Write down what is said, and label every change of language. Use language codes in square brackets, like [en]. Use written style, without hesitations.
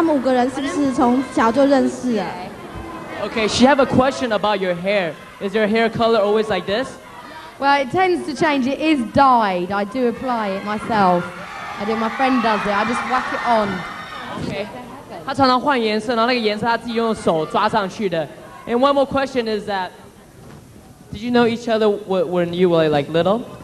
[zh] 我要问说，她的头发是不是这样，天生都这样？还有他们5个人是不是从小就认识了 [en] ？Okay, she have a question about your hair. Is your hair color always like this? Well, it tends to change. It is dyed. I do apply it myself. I do. My friend does it. I just whack it on. Okay. [zh] 她常常换颜色，然后那个颜色她自己用手抓上去的。 [en] And one more question is that, did you know each other when you were like little?